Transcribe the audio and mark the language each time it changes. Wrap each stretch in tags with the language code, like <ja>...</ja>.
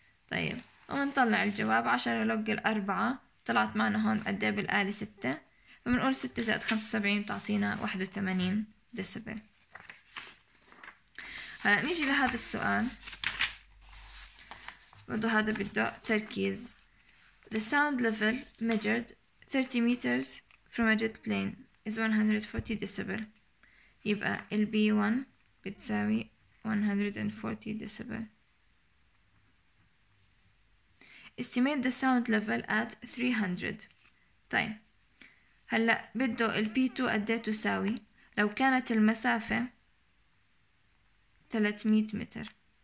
<ar>طيب وبنطلع الجواب 10 لوج الأربعة طلعت معنا هون قد ايه بالآلة 6 فبنقول 6 زائد 75 بتعطينا 81 ديسيبل. هلا نيجي لهذا السؤال برضو هذا بده تركيز.</ar> <en>The sound level measured 30 meters from a jet plane is 140 decibel.</en> <ar>يبقى ال B1 بتساوي 140 decibel.</ar> <en>Estimate the sound level at 300.</en> <ar>طيب هلأ بده ال P2 قد ايه تساوي؟ لا لو كانت المسافة 300 متر.</ar>